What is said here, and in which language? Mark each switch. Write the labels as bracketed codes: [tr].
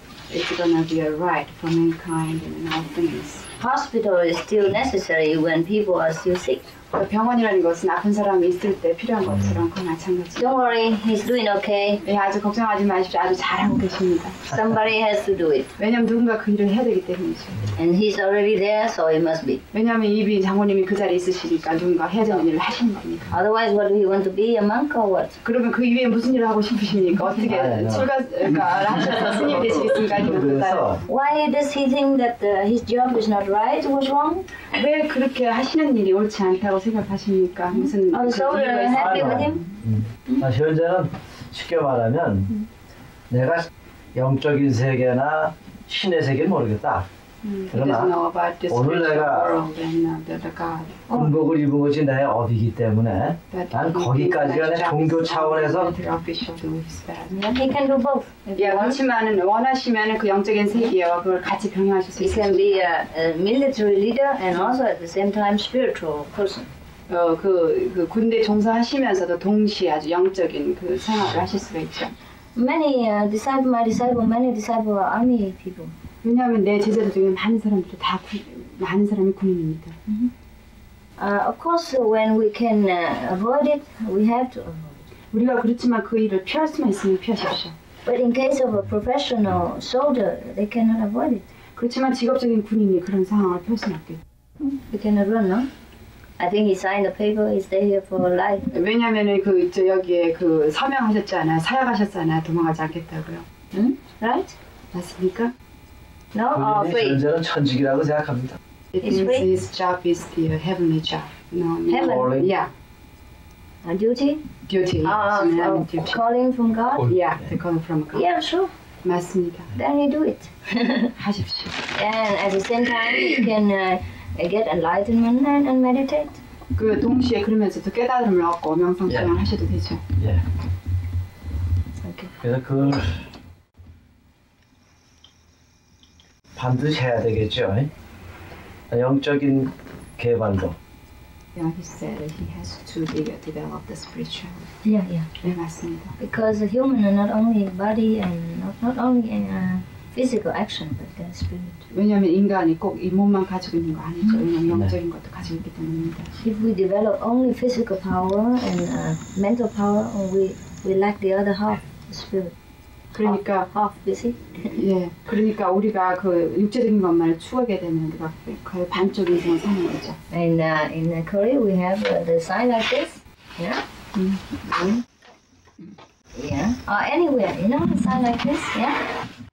[en] It's gonna be a right for mankind and all things. Hospital is still necessary when people are still sick. [ko] 병원이라는 것은 아픈 사람이 있을 때 필요한 것처럼 그 마찬가지. [en] Don't worry, he's doing okay. [ko] 예, 아주 걱정하지 마십시오. 아주 잘하고 계십니다. [en] Somebody has to do it. [ko] 왜냐하면 누군가 그 일을 해야 되기 때문이죠. [en] And he's already there, so it must be. [ko] 왜냐하면 이미 장모님이 그 자리에 있으시니까 누군가 해야 되는 일을 하시는 겁니다. [en] Otherwise, what do you want to be, a monk or what? [ko] 그러면 그 이외에 무슨 일을 하고 싶으십니까? 어떻게 출가를 하셔서 스님이 되시겠습니까? 그래서 [en] Why does he think that his job is not right? What's wrong? [ko] 왜 그렇게 하시는 일이 옳지 않다고 생각하십니까? 무슨 서울을 현재는 쉽게 말하면 내가 영적인 세계나 신의 세계는 모르겠다. 그러나 오늘 내가 군복을 입은 것이 나의 업이기 때문에 난 거기까지가 내 종교 차원에서 원하시면 원하시면 그 영적인 세계와 그걸 같이 병행하실 수 있을 것입니다. [en] He can be a military leader and also at the same time spiritual person. [ko] 그 군대 종사하시면서도 동시에 아주 영적인 그 생활을 하실 수가 있죠. [en] Many disciples are army people. [ko] 왜냐하면 내 제자들 중에 많은 사람이 군인입니다. [en] Of course, when we can avoid it, we have to avoid it. [ko] 우리가 그렇지만 그 일을 피할 수만 있으면 피하십시오. [en] But in case of a professional soldier, they cannot avoid it. [ko] 그렇지만 직업적인 군인이 그런 상황을 피할 수는 없게. [en] We cannot run, no? I think he signed the paper. He stay here for life. [ko] 왜냐하면 그 저 여기에 그 서명하셨잖아요. 사약하셨잖아요. 도망가지 않겠다고요. [en] 응? Right? [ko] 맞습니까? [en] No, free. [ko] 천직이라고 생각합니다. [en] His job is the heavenly job. No, heaven. Calling. Yeah. A duty. Duty. Duty. Calling from God. Yeah, the calling from God. Yeah, sure. [ko] 맞습니다. [en] Then he do it. [ko] 하십시오. [en] And at the same time, he can get enlightenment and meditate. [ko] 그 동시에 그러면서도 깨달음을 얻고 명상을 하셔도 되죠. [en] Yeah. Okay. [ko] 그래서 그 반드시 해야 되겠죠. 영적인 개발도 [en] Yeah, he said he has to develop the spiritual. Yeah, yeah. [ko] 네, 맞습니다. [en] Because a human are not only body and not only in a physical action, but the spirit. 왜냐하면 인간이 꼭 이 몸만 가지고 있는 거 아니죠. 왜냐하면 영적인 것도 가지고 있기 때문입니다. If we develop only physical power and mental power, we lack the other half, the spirit. [ko] 그러니까 [en] half, you see? [ko] 예, 그러니까 우리가 그 육체적인 것만을 추하게 되는 게 거의 반쪽 이상 사는 거죠. [en] And in Korea we have the sign like this, yeah, or anywhere, you know, the sign like this, yeah.